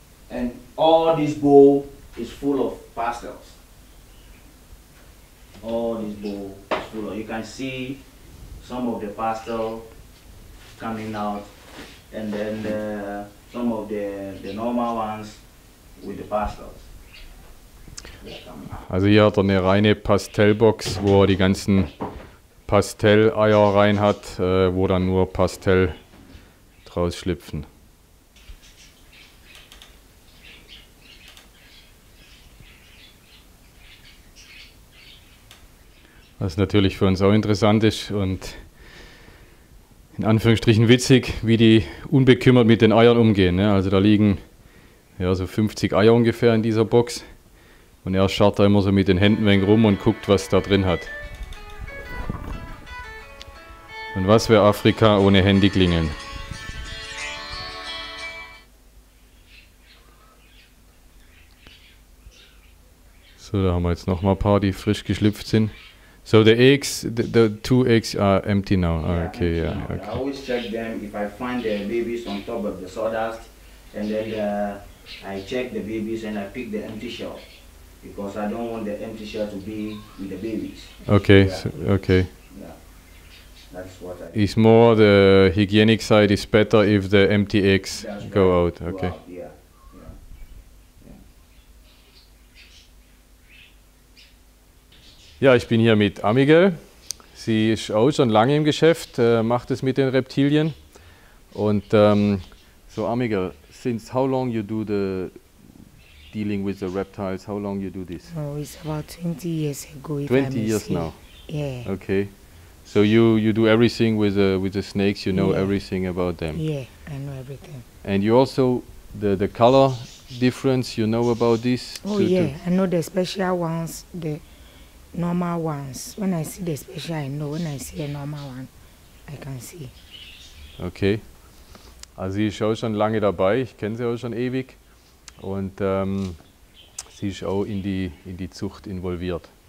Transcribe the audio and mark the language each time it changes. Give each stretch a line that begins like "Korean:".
English: And all this bowl is full of pastels. All this bowl is full of. You can see some of the pastel coming out, and then some of the normal ones with the pastels.
German: Also hier hat er eine reine Pastellbox, wo er die ganzen Pastelleier rein hat, wo dann nur Pastell draus schlüpfen. Was natürlich für uns auch interessant ist und in Anführungsstrichen witzig, wie die unbekümmert mit den Eiern umgehen. Ne? Also da liegen ja, so 50 Eier ungefähr in dieser Box. Und er schaut da immer so mit den Händen ein wenig rum und guckt, was da drin hat. Und was wäre Afrika ohne Handyklingeln? So, da haben wir jetzt nochmal ein paar, die frisch geschlüpft sind.
English: So, the eggs, the two eggs are empty now. Yeah, okay, empty yeah. Now. Okay. I always check them if I find the babies on top of the sawdust. And then I check the babies and I pick the empty shell. Because I don't want the empty shell to be with the babies. Okay, yeah. Okay. Yeah, that's what I think. It's more the hygienic side is better if the empty eggs go out. Okay.
German: Ja, ich bin hier mit Amigel. Sie ist auch schon lange im Geschäft, macht es mit den Reptilien. Und so
English: Amigel, since how long you do the dealing with the reptiles, how long you do this? Oh, it's about 20 years ago. 20 years now? Yeah. Okay. So you do everything with the snakes, you know everything about them? Yeah, I know everything. And you also, the color difference, you know about this? Oh yeah, I know the special ones, the normal ones. When I see the special, I know. When I see a normal one, I can see. Okay.
German: Also ich schaue schon lange dabei, ich kenne sie auch schon ewig. Und sie ist auch in die Zucht involviert.